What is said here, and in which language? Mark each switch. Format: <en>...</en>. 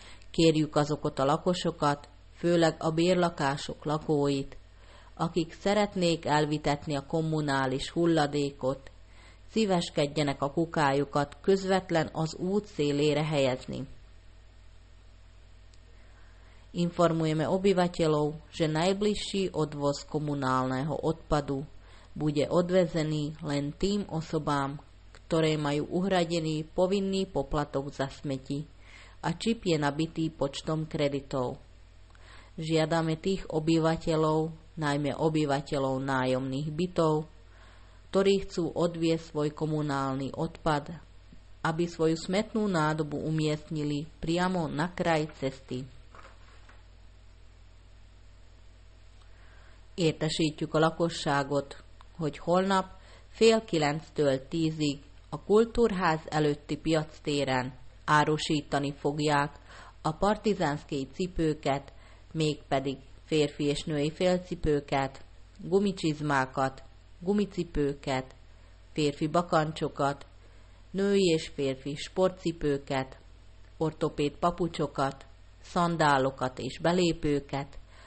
<hu>Kérjük azokat a lakosokat, főleg a bérlakások lakóit, akik szeretnék elvitetni a kommunális hulladékot, szíveskedjenek a kukájukat közvetlen az út szélére helyezni.</hu> <sk>Informujeme obyvateľov, že najbližší odvoz komunálneho odpadu bude odvezený len tým osobám, ktoré majú uhradený povinný poplatok za smeti a čip je nabitý počtom kreditov. Žiadame tých obyvateľov, najmä obyvateľov nájomných bytov, ktorí chcú odviesť svoj komunálny odpad, aby svoju smetnú nádobu umiestnili priamo na kraj cesty.</sk> <hu>Értesítjük a lakosságot, hogy holnap 8:30-tól 10:00 a Kultúrház előtti piac téren árusítani fogják a partizánszki cipőket, mégpedig férfi és női félcipőket, gumicsizmákat, gumicipőket, férfi bakancsokat, női és férfi sportcipőket, ortopéd papucsokat, szandálokat és belépőket.</hu>